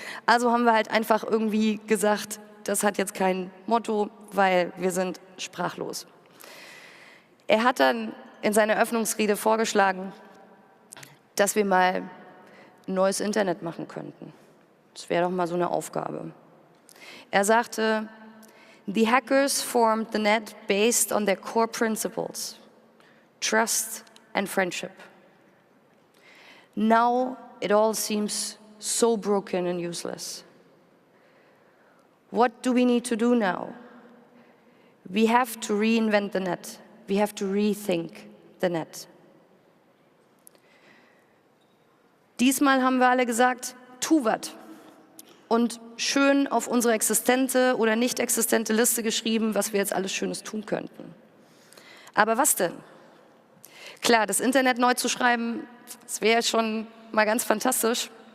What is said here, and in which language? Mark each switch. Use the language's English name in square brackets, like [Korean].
[German] Also haben wir halt einfach irgendwie gesagt, das hat jetzt kein Motto, weil wir sind sprachlos. Er hat dann in seiner Eröffnungsrede vorgeschlagen, dass wir mal ein neues Internet machen könnten. Das wäre doch mal so eine Aufgabe. Er sagte, [English] the hackers formed the net based on their core principles, trust and friendship. Now it all seems so broken and useless. What do we need to do now? We have to reinvent the net. We have to rethink the net. [German] Diesmal haben wir alle gesagt, tu was. Und schön auf unsere existente oder nicht existente Liste geschrieben, was wir jetzt alles Schönes tun könnten. Aber was denn? Klar, das Internet neu zu schreiben, das wäre schon mal ganz fantastisch.